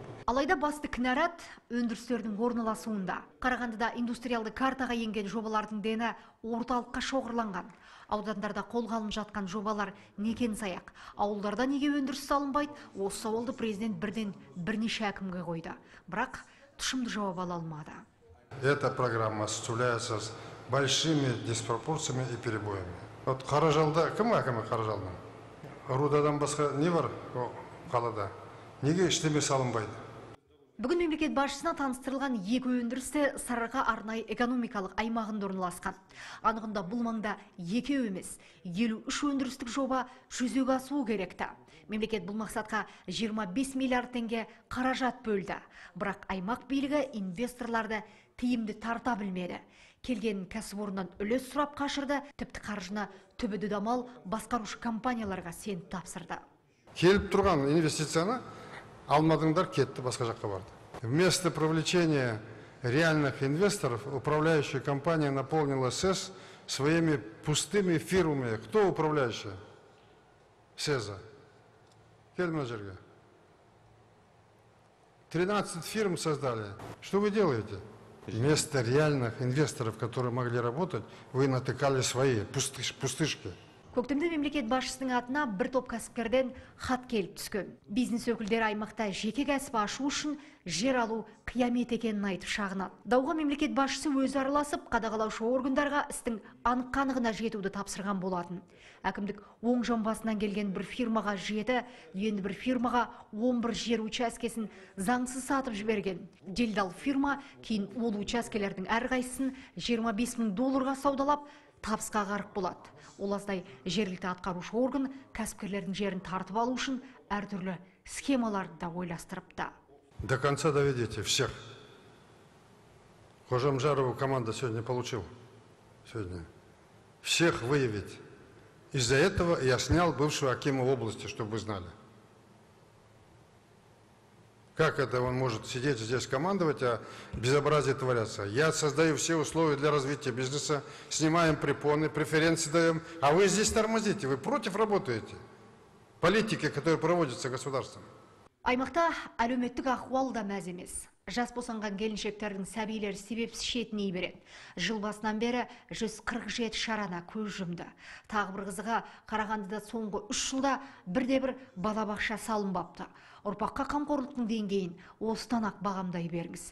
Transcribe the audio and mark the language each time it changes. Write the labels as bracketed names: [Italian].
[Kazakh] Алайда басты кінәрат өндірістердің орналасуында. Қарағандыда индустриалды картаға енген жобалардың дені орталыққа шоғырланған. Аудандарда қолға алынып жатқан жобалар некен саяқ? Ауылдарда неге өндіріс салынбайды? Осы сауалды президент бірден бірнеше әкімге қойды. Бірақ тұшымды жауап ала алмады. [Russian] Эта программа осуществляется с большими диспропорциями и перебоями. [Kazakh] Вот Қаражалда кім әкімі Қаражалда? Рудадан басқа не бар қалада? Неге іштеме салынбайды? Бүгін мемлекет басшысына таныстырылған екі өндірісі Сарыарқа арнайы экономикалық аймағында орналасқан. Анығында бұл маңда екеу емес, 53 өндірістік жоба жүзеге асуы керекті. Мемлекет бұл мақсатқа 25 миллиард теңге қаражат бөлді. Бірақ аймақ билігі инвесторларды тиімді тарта білмеді. келген кәсіпорыннан үлес сұрап қашырды, тіпті қаржына түбі дүдамал басқарушы компанияларға сеніп тапсырды. Келіп тұрған инвестицияны алмадыңдар, кетті, басқа жаққа барды. [Russian] Вместо привлечения реальных инвесторов управляющая компания наполнила СЭС своими пустыми фирмами. Кто управляющая СЭСа? Кельмаджерга. 13 фирм создали. Что вы делаете? Вместо реальных инвесторов, которые могли работать, вы натыкали свои пустышки. [Kazakh] Көктемде мемлекет басшысының атына бір топ кәсіпкерден хат келіп түскен. Бизнес өкілдері аймақта жеке кәсіп ашу үшін жер алу қиямет екенін айтып шағынады. Дауға мемлекет басшысы өзі араласып, қадағалаушы органдарға істің анық-қанығына жетуді тапсырған болатын. Әкімдік оң жамбасынан келген бір фирмаға жеті, енді бір фирмаға 11 жер учаскесін заңсыз сатып жіберген. Делдал фирма кейін ол учаскелердің әрқайсысын 25 мың долларға саудалап, табысқа қарық болады. Оласындай жергілікті атқарушы орган кәсіпкерлердің жерін тартып алу үшін әртүрлі схемаларды да ойластырыпты. [Russian] До конца доведите всех. Кожамжарова команда сегодня получил. Сегодня. Всех выявить. Из-за этого я снял бывшего акима области, чтобы вы знали. Как это он может сидеть здесь командовать, а безобразие творятся? Я создаю все условия для развития бизнеса, снимаем препоны, преференции даем, а вы здесь тормозите, вы против работаете. Политики, которые проводятся государством. [Kazakh] Аймақта әлеуметтік ахуал да мәз емес. Жас босанған келіншектердің сәбилер себепсіз шетіне береді. Жыл басынан бері 147 шарана көз жұмды. Тағы бір қызығы, Қарағандыда соңғы 3 жылда бірде-бір балабақша салынбапты. Ұрпаққа қамқорлықтың деңгейін осыдан ақ бағамдай беріңіз.